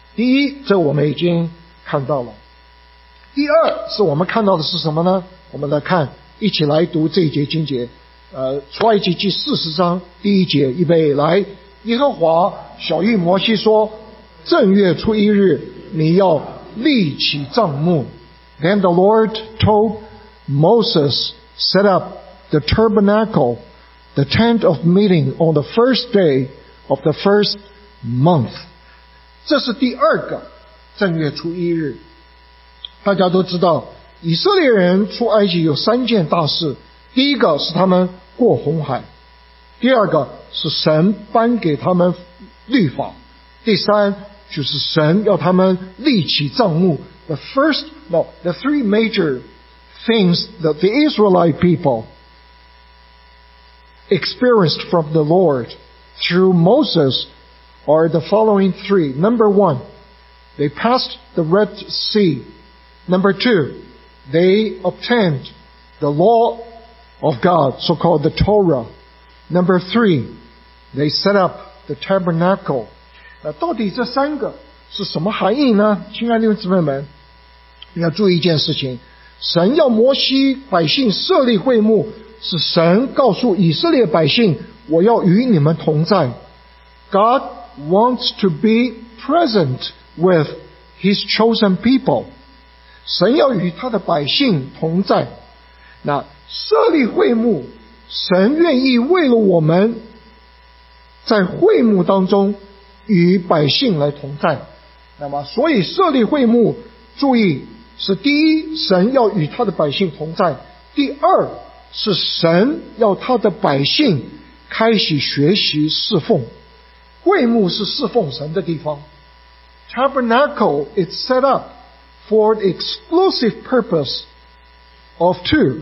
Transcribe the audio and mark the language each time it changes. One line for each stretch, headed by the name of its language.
Chinese: 第一，这我们已经看到了。第二，是我们看到的是什么呢？我们来看，一起来读这一节经节，出埃及记四十章第一节，预备来。耶和华晓谕摩西说，正月初一日，你要立起帐幕。
English: Then the Lord told Moses, set up the tabernacle, the tent of meeting on the first day of the first month.
Chinese: 这是第二个正月初一日。大家都知道，以色列人出埃及有三件大事。第一个是他们过红海。第二个是神颁给他们律法。第三就是神要他们立起帐幕。
English: The three major things that the Israelite people experienced from the Lord through Moses are the following three. Number one, they passed the Red Sea. Number two, they obtained the law of God, so-called the Torah. Number three, they set up the tabernacle.
Chinese: 那到底这三个是什么含义呢？亲爱的弟兄姊妹们，你要注意一件事情，神要摩西百姓设立会幕，是神告诉以色列百姓，我要与你们同在。
English: God wants to be present with his chosen people.
Chinese: 神要与他的百姓同在。那设立会幕，神愿意为了我们在会幕当中与百姓来同在。那么所以设立会幕，注意，是第一，神要与他的百姓同在；第二，是神要他的百姓开始学习侍奉。会幕是侍奉神的地方。
English: Tabernacle is set up for the exclusive purpose of two.